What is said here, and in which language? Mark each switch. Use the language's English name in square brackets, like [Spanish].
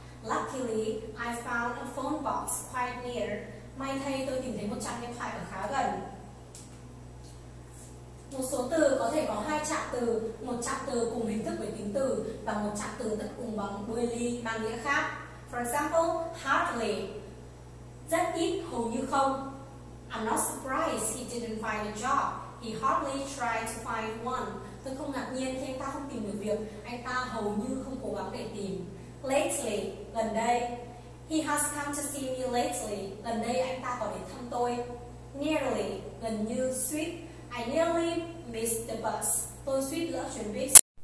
[English] Luckily, I found a phone box quite near. [Vietnamese] May thay tôi tìm thấy một trạm điện thoại ở khá gần. Một số từ có thể có hai trạng từ, một trạng từ cùng hình thức với tính từ và một trạng từ tận cùng bằng đuôi ly mang nghĩa khác. [English] For example, hardly. [Vietnamese] Rất ít, hầu như không. [English] I'm not surprised he didn't find a job. He hardly tried to find one. [Vietnamese] Tôi không ngạc nhiên khi anh ta không tìm được việc, anh ta hầu như không cố gắng để tìm. [English] Lately, [Vietnamese] gần đây. [English] He has come to see me lately. [Vietnamese] Gần đây anh ta có đến thăm tôi. Nearly, gần như, suýt. [English] I nearly missed the bus. [Vietnamese] Tôi suýt lỡ chuyến bus.